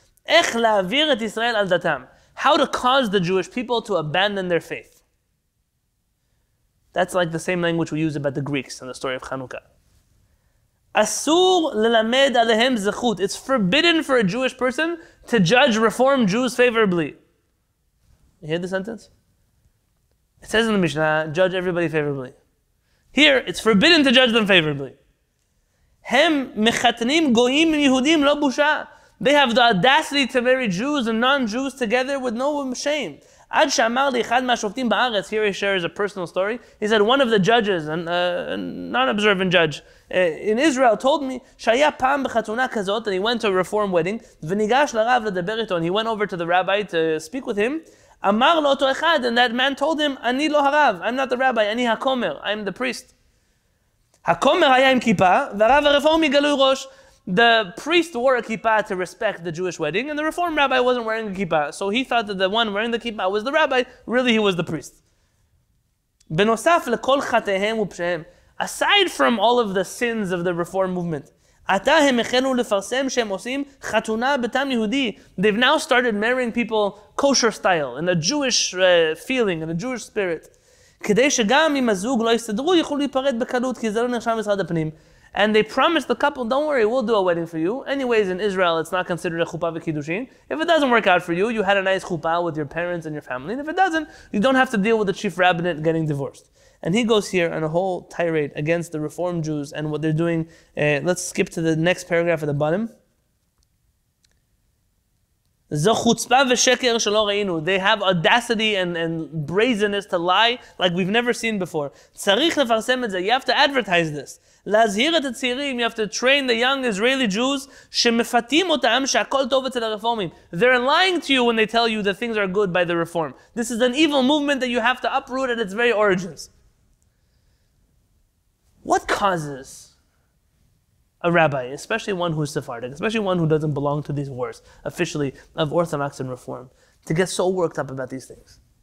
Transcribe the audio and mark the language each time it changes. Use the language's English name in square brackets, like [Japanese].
[Hebrew] איך להעביר את ישראל על דתם? [English] How to cause the Jewish people to abandon their faith. That's like the same language we use about the Greeks in the story of Hanukkah. [Hebrew] אסור ללמד עליהם זכות. [English] It's forbidden for a Jewish person to judge Reform Jews favorably. You hear the sentence? It says in the Mishnah, judge everybody favorably. Here, it's forbidden to judge them favorably. [Hebrew] הם מחתנים גויים יהודים לא בושה. [English] They have the audacity to marry Jews and non-Jews together with no shame. [Hebrew] עד שאמר לי אחד מהשופטים בארץ, [English] here he shares a personal story, he said one of the judges, a non-observant judge, in Israel told me, [Hebrew] שהיה פעם בחתונה כזאת, [English] and he went to a reform wedding, [Hebrew] וניגש לרב לדבר איתו, [English] and he went over to the rabbi to speak with him, [Hebrew] אמר לו אותו אחד, [English] and that man told him, [Hebrew] אני לא הרב, [English] I'm not the rabbi, [Hebrew] אני הכומר, [English] I'm the priest. [Hebrew] הכומר היה עם כיפה, והרב הרפורמי גלוי ראש, [English] the priest wore a kippah to respect the Jewish wedding, and the Reform rabbi wasn't wearing a kippah. So he thought that the one wearing the kippah was the rabbi. Really, he was the priest. [Hebrew] בנוסף לכל חטאיהם ופשעיהם, [English] aside from all of the sins of the Reform movement, [Hebrew] עתה הם החלו לפרסם שהם עושים חתונה בתם יהודי. [English] They've now started marrying people kosher style, in a Jewish feeling, in a Jewish spirit. [Hebrew] כדי שגם אם הזוג לא יסתדרו, יוכלו להיפרד בקלות, כי זה לא נרשם משרד הפנים. [English] And they promised the couple, don't worry, we'll do a wedding for you. Anyways, in Israel, it's not considered a chuppah v'kiddushin. If it doesn't work out for you, you had a nice chuppah with your parents and your family. And if it doesn't, you don't have to deal with the chief rabbinate getting divorced. And he goes here on a whole tirade against the Reform Jews and what they're doing. Let's skip to the next paragraph at the bottom. [Hebrew] זו חוצפה ושקר שלא ראינו. [English] They have audacity and brazenness to lie like we've never seen before. [Hebrew] צריך לפרסם את זה. [English] You have to advertise this. [Hebrew] להזהיר את הצעירים, [English] you have to train the young Israeli Jews [Hebrew] שמפתים אותם שהכל טוב אצל הרפורמים. [English] They're lying to you when they tell you that things are good by the reform. This is an evil movement that you have to uproot at its very origins. What causes a rabbi, especially one who's Sephardic, especially one who doesn't belong to these wars, officially, of Orthodox and Reform, to get so worked up about these things?